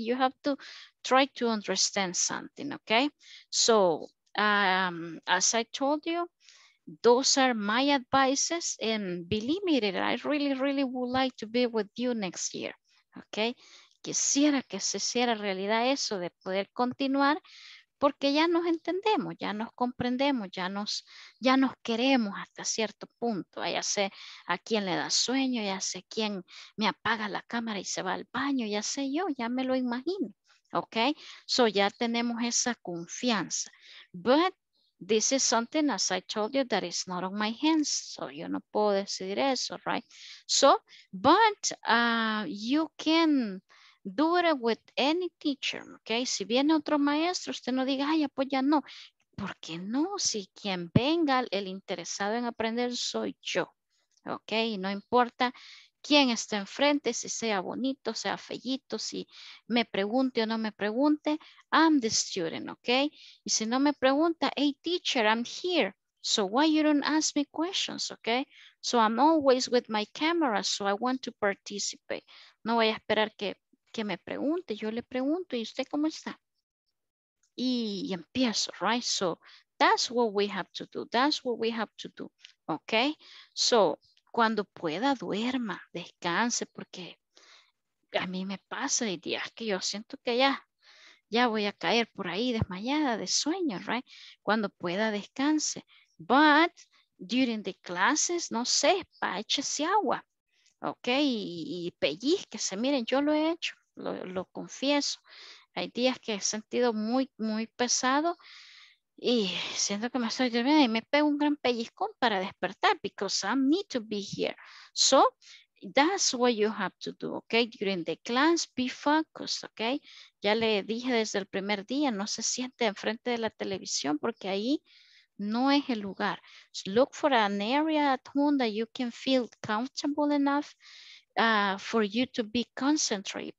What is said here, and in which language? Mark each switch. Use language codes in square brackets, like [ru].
[en] You have to try to understand something, okay? So, as I told you, those are my advices. And believe me, I really, really would like to be with you next year, okay? [es] Quisiera que se hiciera realidad eso de poder continuar. Porque ya nos entendemos, ya nos comprendemos, ya nos queremos hasta cierto punto. Ya sé a quién le da sueño, ya sé quién me apaga la cámara y se va al baño, ya sé yo, ya me lo imagino. Ok, so ya tenemos esa confianza. [en] But this is something, as I told you, that is not on my hands. So [es] yo no puedo decidir eso, [en] right? So, but you can do it with any teacher, okay? [es] Si viene otro maestro, usted no diga, ay, pues ya no. ¿Por qué no? Si quien venga, el interesado en aprender soy yo, okay? Y no importa quién esté enfrente, si sea bonito, sea fellito, si me pregunte o no me pregunte, [en] I'm the student, [es] okay? Y si no me pregunta, [en] hey, teacher, I'm here. So why you don't ask me questions, okay? So I'm always with my camera, so I want to participate. [es] No voy a esperar que me pregunte, yo le pregunto, ¿y usted cómo está? Y empiezo, right? [en] So, that's what we have to do, that's what we have to do, okay? [es] So, cuando pueda, duerma, descanse, porque a mí me pasa el día que yo siento que ya voy a caer por ahí desmayada de sueño, right? Cuando pueda, descanse. [en] But, during the classes, [es] no sé, échese agua, [en] okay? [es] Y pellizquese, miren, yo lo he hecho. Lo confieso, hay días que he sentido muy, muy pesado y siento que me estoy durmiendo y me pego un gran pellizcón para despertar [en] because I need to be here. So, that's what you have to do, okay? During the class, be focused, okay? [es] Ya le dije desde el primer día, no se siente enfrente de la televisión porque ahí no es el lugar. [en] So look for an area at home that you can feel comfortable enough for you to be concentrated.